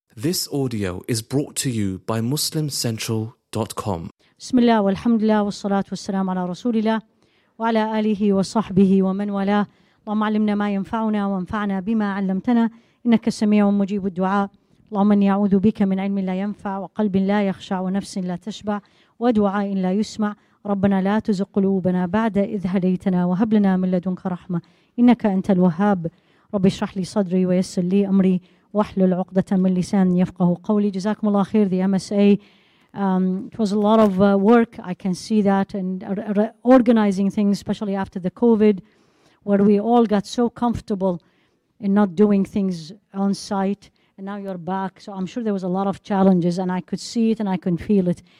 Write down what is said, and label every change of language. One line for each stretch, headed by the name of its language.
English: This audio is brought to you by MuslimCentral.com.
Arabic: بسم الله والحمد لله والصلاة والسلام على رسول الله وعلى آله وصحبه ومن والاه. اللهم علمنا ما ينفعنا وانفعنا بما علمتنا إنك سميع مجيب الدعاء. اللهم إني أعوذ بك من علم لا ينفع وقلب لا يخشع ونفس لا تشبع ودعاء لا يسمع. ربنا لا تزغ قلوبنا بعد إذ هديتنا وهب لنا من لدنك رحمة إنك أنت الوهاب. رب اشرح لي صدري ويسر لي أمري واحلل عقدة من لسان يفقه قولي. جزاكم الله خير.
English: The MSA, it was a lot of work, I can see that, and organizing things, especially after the COVID, where we all got so comfortable in not doing things on site, and now you're back. So I'm sure there was a lot of challenges, and I could see it and I could feel it.